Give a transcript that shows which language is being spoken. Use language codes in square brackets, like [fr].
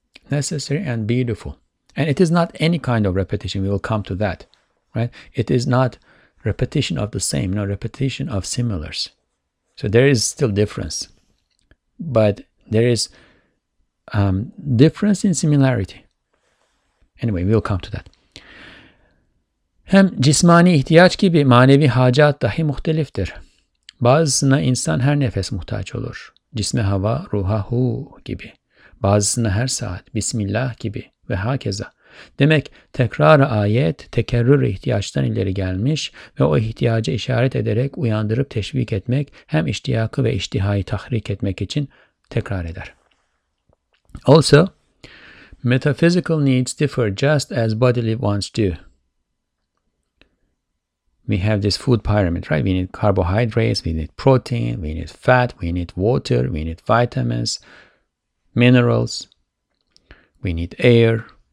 [en] Necessary and beautiful. And it is not any kind of repetition, we will come to that, right? It is not repetition of the same, no, repetition of similars. So there is still difference. But there is difference in similarity. Anyway, we'll come to that. [tr] Hem cismani ihtiyaç gibi manevi hacat dahi muhteliftir. Bazısına insan her nefes muhtaç olur. Cisme hava, ruha hu gibi. Bazısına her saat, bismillah gibi ve hakeza. Demek tekrar-ı ayet, tekerrür ihtiyaçtan ileri gelmiş ve o ihtiyacı işaret ederek uyandırıp teşvik etmek, hem iştiyakı ve iştihayı tahrik etmek için tekrar eder. [en] Also, metaphysical needs differ just as bodily wants do. We have this food pyramid, right? We need carbohydrates, we need protein, we need fat, we need water, we need vitamins, minerals, we need air.